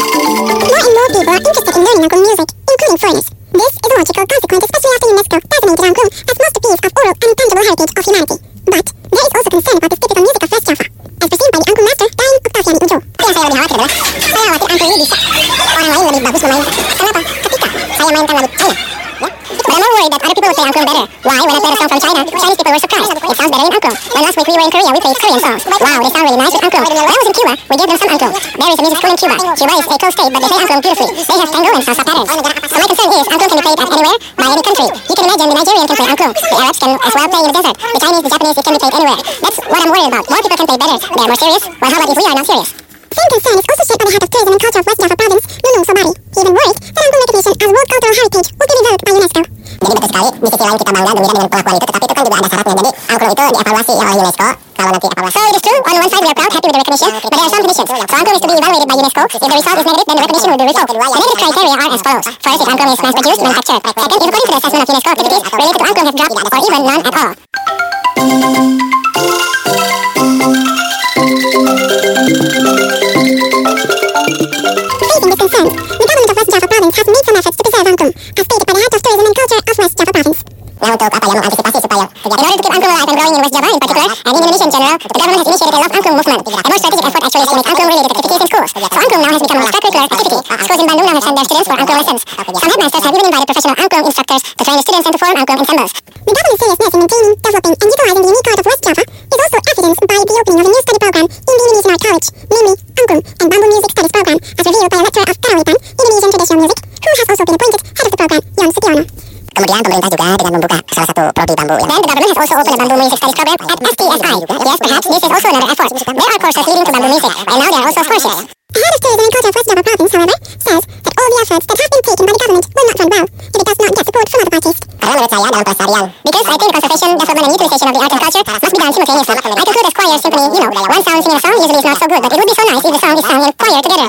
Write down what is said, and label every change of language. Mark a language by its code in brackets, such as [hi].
[en] People are interested in learning Angklung music, including foreigners. This is a logical consequence, especially after UNESCO designated Angklung as masterpiece of oral and tangible heritage of humanity. But there is also concern about this typical music of West Java, as perceived by the Angklung master, Daeng Octaviani Ujo. [id] Apa saya lebih khawatir adalah, saya khawatir Angklung ini bisa. Orang lain lebih bagus memainkan. Kenapa? Ketika saya mainkan lagu China. [en] But I'm more worried that other people would play Angklung better. Why, when I played a song from China, Chinese people were surprised. It sounds better in Angklung. When last week we were in Korea, we played Korean songs. Wow, they sound really nice with Angklung. When I was in Cuba, we gave them some Angklung. There is a music school in Cuba. Cuba is a cold state, but they play Angklung beautifully. They have tango and salsa patterns. So my concern is, Angklung can be played at anywhere, by any country. You can imagine the Nigerian can play Angklung. The Arabs can as well play in the desert. The Chinese, the Japanese, it can be played anywhere. That's what I'm worried about. More people can play better. They are more serious. Well, how about if we are not serious? Same concern is also shared by the head of tourism and culture of West Java province, Nunung Sobari. He even worried that Angklung recognition as World Cultural Heritage would be revoked by UNESCO. [id] Jadi betul sekali, di sisi lain kita bangga gembira dengan pelakuan itu, tetapi itu kan juga ada syaratnya. Jadi Angklung itu dievaluasi oleh UNESCO. [en] So it is true, on one side we are proud, happy with the recognition, but there are some conditions. So Angklung is to be evaluated by UNESCO. If the result is negative, then the recognition will be revoked. The negative criteria are as follows. First, if Angklung is mass-produced, manufactured. Second, if according to the assessment of UNESCO, activities related to Angklung have dropped, or even none at all. Facing this concern, the government of West Java province has made some efforts to preserve Angklung, as stated by the head of tourism and culture of West Java province. [id] Nah untuk apa ya mengantisipasi supaya terjadi. [en] In order to keep Angklung alive and growing in West Java in particular and in Indonesia in general, the government has initiated a Love Angklung movement. A more strategic effort actually is to make Angklung related activities in schools. So Angklung now has become an extracurricular activity. Schools in Bandung now have sent their students for Angklung lessons. Some headmasters have even invited professional Angklung instructors to train the students and to form Angklung ensembles. The government's seriousness in maintaining, developing and utilizing the unique art of West Java is also evidenced by the opening of a new study program in the Indonesian Art College, namely Angklung and Bamboo Music Studies Program, as revealed by a lecturer of Karawitan, Indonesian traditional music, who has also been appointed head of the program, Yon Setiono. [id] Kemudian pemerintah juga dengan membuka salah satu prodi bambu yang [en] then the government has also opened a bamboo music studies program at STSI. Yes, perhaps this is also another effort. There are courses leading to bamboo music, and now there are also scholarships. The head of tourism and culture of West Java province, however, says that all the efforts that have been taken by the government will not run well if it does not get support from other parties. [id] Karena menurut saya dalam pelestarian. [en] Because I think conservation, development and utilization of the art and culture must be done simultaneously. I conclude as choir symphony, you know, one sound singing a song usually is not so good, but it would be so nice if the song is sung in choir together.